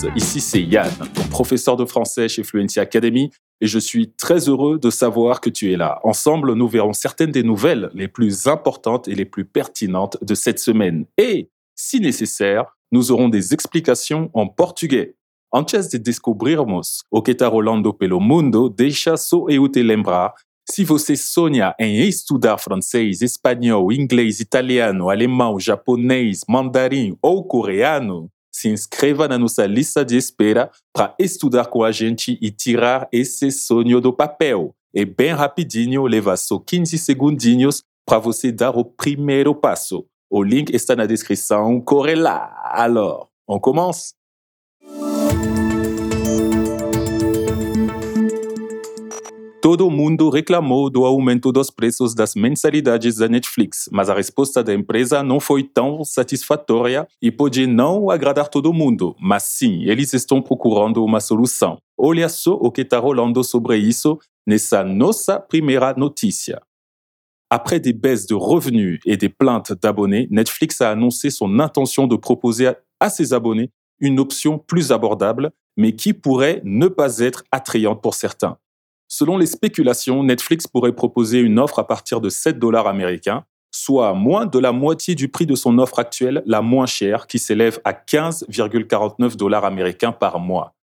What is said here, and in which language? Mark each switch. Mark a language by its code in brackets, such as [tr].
[fr] Ici c'est Yann, ton professeur de français chez Fluency Academy et je suis très heureux de savoir que tu es là. Ensemble, nous verrons certaines des nouvelles les plus importantes et les plus pertinentes de cette semaine. Et, si nécessaire, nous aurons des explications en portugais. [pt] Antes de descobrirmos o que está rolando pelo mundo, deixa só eu te lembrar. Se você sonha em estudar francês, espanhol, inglês, italiano, alemão, japonês, mandarim ou coreano, se inscreva na nossa lista de espera para estudar com a gente e tirar esse sonho do papel. É bem rapidinho, leva só 15 segundinhos para você dar o primeiro passo. O link está na descrição, corre lá! [fr] Alors, on commence? [pt] Todo mundo reclamou do aumento dos preços das mensalidades da Netflix, mas a resposta da empresa não foi tão satisfatória e pode não agradar todo mundo. Mas sim, eles estão procurando uma solução. Olha só o que está rolando sobre isso nessa nossa primeira notícia. [fr] Après des baisses de revenus et des plaintes d'abonnés, Netflix a annoncé son intention de proposer à ses abonnés une option plus abordable, mais qui pourrait ne pas être attrayante pour certains. Selon les spéculations, Netflix pourrait proposer une offre à partir de 7 $ américains, soit moins de la moitié du prix de son offre actuelle, la moins chère, qui s'élève à 15,49 $ américains par mois.